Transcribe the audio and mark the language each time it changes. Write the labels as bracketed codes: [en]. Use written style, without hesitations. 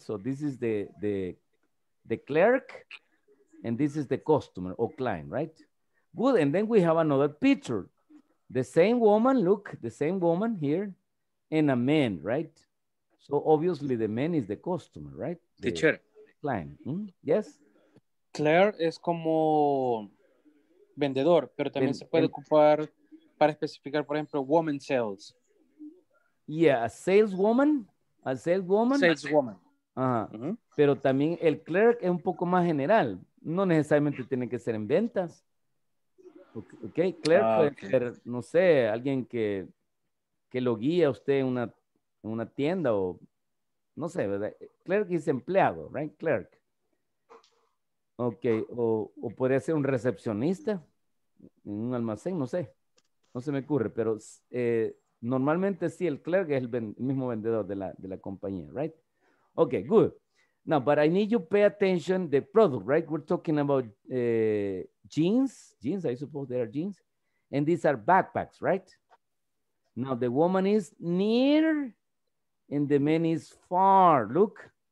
[en] So this is the clerk and this is the customer or client, right? Good. And then we have another picture. The same woman, look, the same woman here and a man, right? So obviously the man is the customer, right? Teacher. Client. Yes. [es] Claire es como vendedor, pero también se puede ocupar para especificar, por ejemplo, [en] woman sales. Yeah, a saleswoman. A saleswoman. Saleswoman. Ajá. Uh-huh. [es] Pero también el clerk es un poco más general. No necesariamente tiene que ser en ventas. Ok. Clerk puede ser, no sé, alguien que lo guía a usted en una tienda o no sé, ¿verdad? Clerk es empleado, right? Clerk. Ok, o podría ser un recepcionista en un almacén, no sé. No se me ocurre, pero normalmente sí, el clerk es el mismo vendedor de la compañía, right? [en] Ok, good. Now, but I need you pay attention to the product, right? We're talking about jeans, I suppose they are jeans. And these are backpacks, right? Now, the woman is near and the man is far, look.